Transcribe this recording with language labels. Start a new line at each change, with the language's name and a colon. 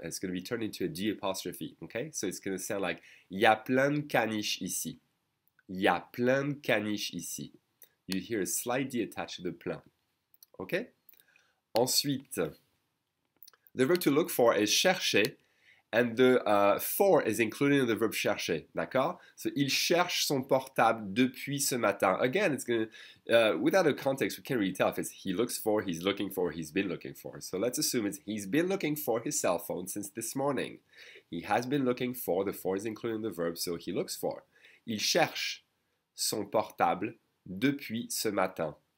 English: And it's going to be turned into a d apostrophe. Okay? So it's going to sound like ya plein de caniches ici.
French: Ya plein de caniches ici.
English: You hear a slight d attached to the plein. Okay? Ensuite, the verb to look for is chercher. And the for is included in the verb chercher, d'accord?
French: So, il cherche son portable depuis ce matin.
English: Again, it's going to, without a context, we can't really tell if it's he looks for, he's looking for, he's been looking for. So, let's assume it's he's been looking for his cell phone since this morning. He has been looking for, the for is included in the verb, so he looks for.
French: Il cherche son portable depuis ce matin.